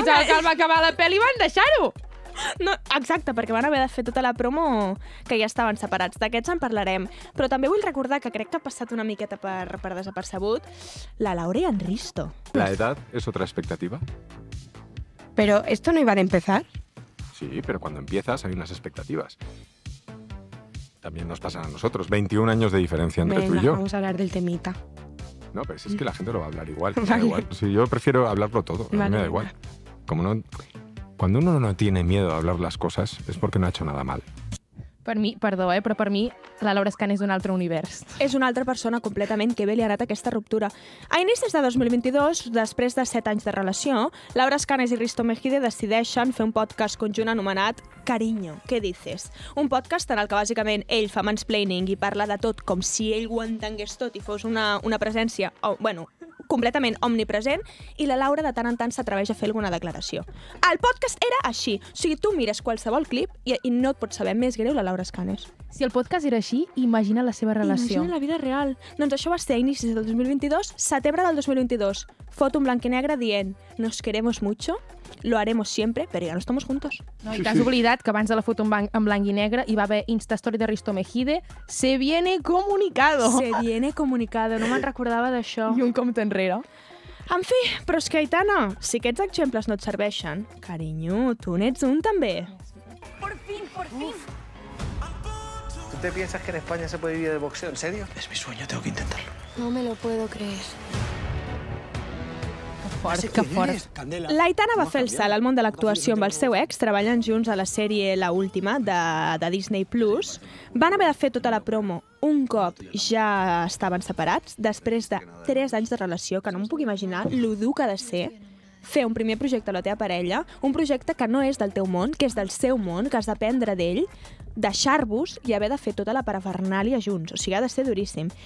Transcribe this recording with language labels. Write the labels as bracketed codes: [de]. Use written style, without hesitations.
[ca] I tal, que el va acabar la pel·li i van deixar-ho. No, exacte, perquè van haver de fer tota la promo que ja estaven separats. D'aquests en parlarem. Però també vull recordar que crec que ha passat una miqueta per desapercebut la Laura i en Risto. [es] La edat és otra expectativa. Però esto no iba de empezar. Sí, pero cuando empiezas hay unas expectativas. También nos pasan a nosotros. 21 años de diferencia entre Venga, tú y yo. Vamos a hablar del temita. No, pero si es que la gente lo va a hablar igual. Vale. Igual. Sí, yo prefiero hablarlo todo. Vale. A mí me da igual. Como no, cuando uno no tiene miedo a hablar las cosas, es porque no ha hecho nada mal. [ca] Per mi, perdó, però per mi la Laura Escanes és d'un altre univers. És una altra persona completament que bé li ha anat aquesta ruptura. A inicis de 2022, després de 7 anys de relació, Laura Escanes i Risto Mejide decideixen fer un podcast conjunt anomenat Cariño, què dices? Un podcast en el que bàsicament ell fa mansplaining i parla de tot com si ell ho entengués tot i fos una presència, o, bueno, completament omnipresent, i la Laura de tant en tant s'atreveix a fer alguna declaració. El podcast era així. O sigui, tu mires qualsevol clip i no et pots saber més greu la Laura Escanes. Si el podcast era així, imagina la seva relació. Imagina la vida real. Doncs això va ser a inicis del 2022, setembre del 2022. Foto en blanc i negre dient [es] «Nos queremos mucho, lo haremos siempre, pero ya no estamos juntos». [ca] No, i t'has oblidat que abans de la foto en blanc i negre hi va haver Instastory de Risto Mejide [es] «Se viene comunicado». «Se viene comunicado», [ca] no me'n recordava d'això. I un compte enrere. En fi, però és que, Aitana, si aquests exemples no et serveixen, carinyo, tu n'ets un també. [es] Por fin, por fin. ¿Tú te piensas que en España se puede vivir de boxeo, en serio? Es mi sueño, tengo que intentarlo. No me lo puedo creer. [ca] L'Aitana va fer el salt al món de l'actuació amb el seu ex, treballant junts a la sèrie La Última de Disney Plus. Van haver de fer tota la promo un cop ja estaven separats, després de 3 anys de relació, que no em puc imaginar lo dur que ha de ser fer un primer projecte a la teva parella, un projecte que no és del teu món, que és del seu món, que has d'aprendre d'ell, deixar-vos i haver de fer tota la parafernàlia junts. O sigui, ha de ser duríssim.